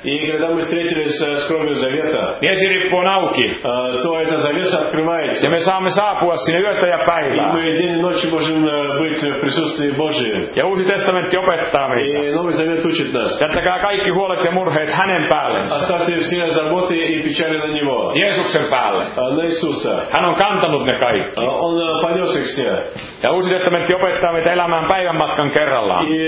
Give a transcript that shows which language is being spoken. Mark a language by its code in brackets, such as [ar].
[ru] И когда мы встретились с кровью завета. [fi] Esi rippu on auki. [ru] То эта завеса открывается. [fi] Ja me saamme saapua sinne yötä ja päivää. [ru] И мы день и ночь можем быть в присутствии Божьем. [fi] Ja Uusi testamentti opettaa meitä. [ru] И Новый Завет учит нас. [fi] Jättäkää kaikki huolet ja murheet hänen päällensä. [ru] Оставьте все заботы и печали на него. [fi] Jeesuksen päälle. [ru] На Иисуса. [fi] Hän on kantanut ne kaikki. [ru] Он понес их. [fi] Ja Uusi testamentti opettaa meitä elämään päivän matkan kerrallaan.